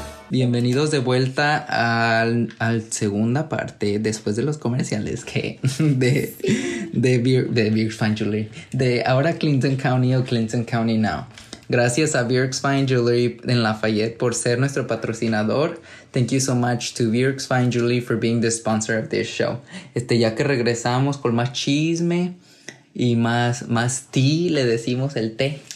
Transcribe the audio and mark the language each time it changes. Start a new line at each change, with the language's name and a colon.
Spanish: Bienvenidos de vuelta al segunda parte después de los comerciales que de Birx Fine Jewelry de ahora Clinton County o Clinton County Now. Gracias a Birx Fine Jewelry en Lafayette por ser nuestro patrocinador.
English: Thank you so much to Birx Fine Jewelry for being the sponsor of this show.
Spanish: Ya que regresamos con más chisme y más té, le decimos el té.